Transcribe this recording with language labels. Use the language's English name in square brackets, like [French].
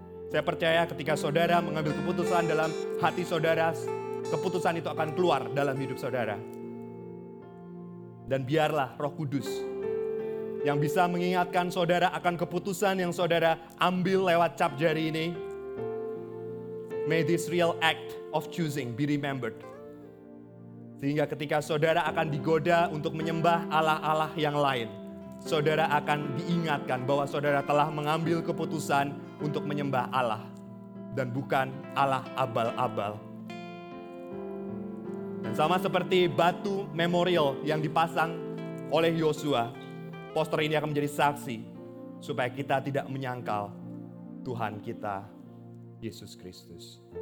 [Indonesian] Saya percaya ketika saudara mengambil keputusan dalam hati saudara, keputusan itu akan keluar dalam hidup saudara. Dan biarlah Roh Kudus yang bisa mengingatkan saudara akan keputusan yang saudara ambil lewat cap jari ini. [English] May this real act of choosing be remembered. [Indonesian] Sehingga ketika saudara akan digoda untuk menyembah Allah-Allah yang lain, saudara akan diingatkan bahwa saudara telah mengambil keputusan untuk menyembah Allah. Dan bukan Allah abal-abal. Dan sama seperti batu memorial yang dipasang oleh Yosua, poster ini akan menjadi saksi supaya kita tidak menyangkal Tuhan kita, Yesus Kristus.